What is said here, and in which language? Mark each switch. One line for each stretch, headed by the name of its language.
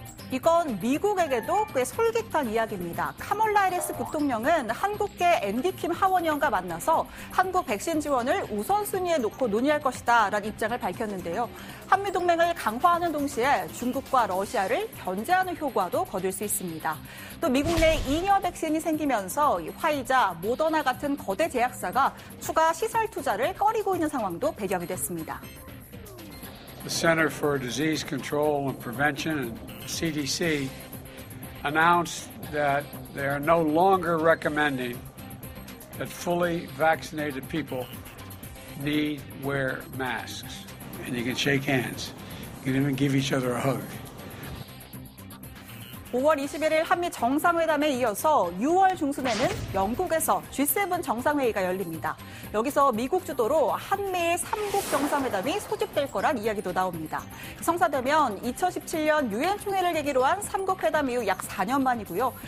Korean: 이건 미국에게도 꽤 솔깃한 이야기입니다. 카멀라 해리스 부통령은 한국계 앤디 킴 하원의원과 만나서 한국 백신 지원을 우선순위에 놓고 논의할 것이다 라는 입장을 밝혔는데요. 한미동맹을 강화하는 동시에 중국과 러시아를 견제하는 효과도 거둘 수 있습니다. 또 미국 내 잉여 백신이 생기면서 화이자, 모더나 같은 거대 제약사가 추가 시설 투자를 꺼리고 있는 상황도 배경이 됐습니다.
English: The Center for Disease Control and Prevention, CDC, announced that they are no longer recommending that fully vaccinated people need wear masks. And you can shake hands. You can even give each other a hug.
Korean: 5월 21일 한미 정상회담에 이어서 6월 중순에는 영국에서 G7 정상회의가 열립니다. 여기서 미국 주도로 한미의 3국 정상회담이 소집될 거란 이야기도 나옵니다. 성사되면 2017년 유엔 총회를 계기로 한 3국 회담 이후 약 4년 만이고요.